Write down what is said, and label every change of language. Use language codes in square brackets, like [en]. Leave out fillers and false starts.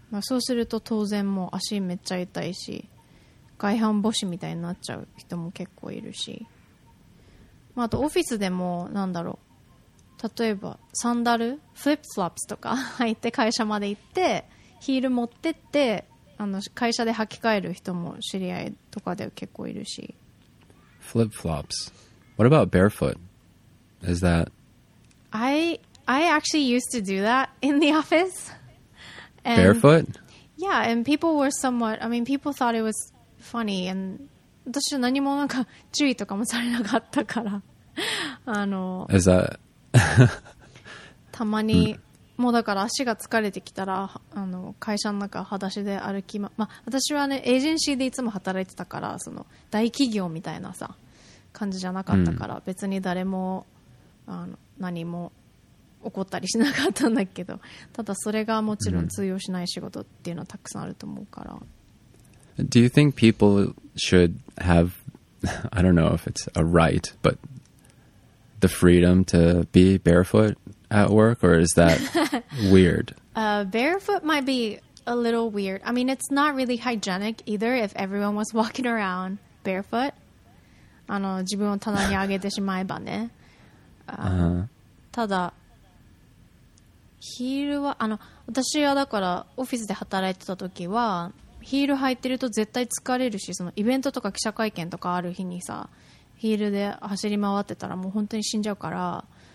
[ja] まあ、そうすると当然もう足めっちゃ痛いし外反母趾みたいになっちゃう人も結構いるし、まあ、あとオフィスでもなんだろう、例えばサンダルフリップスラップスとか入って会社まで行ってヒール持ってってあの会社で履き替える人も知り合いとかで結構いるし、 [en] フリップフロップス、 What about barefoot? Is that I actually used to do that in the office. And, barefoot? Yeah, and people were somewhat, I mean, people thought it was funny, and [ja] 私は何もなんか注意とかもされなかったからあの [en] Is that [ja] たまに、mm. もうだから足が疲れてきたらあの会社の中裸足で歩き私はねエージェンシーでいつも働いてたからその大企業みたいなさ感じじゃなかったから、うん、別に誰もあの何も起こったりしなかったんだけど、ただそれがもちろん通用しない仕事っていうのはたくさんあると思うから、うん、 [en] Do you think people should have I don't know if it's a right but the freedom to be barefoot? At work, or is that weird? barefoot might be a little weird. I mean, it's not really hygienic either if everyone was walking around barefoot. [ja] あの、自分を棚に上げてしまえばね。ただ、ヒールは、あの、私はだから、オフィスで働いてた時は、ヒール履いてると絶対疲れるし、そのイベントとか記者会見とかある日にさ、ヒールで走り回ってたらもう本当に死んじゃうから、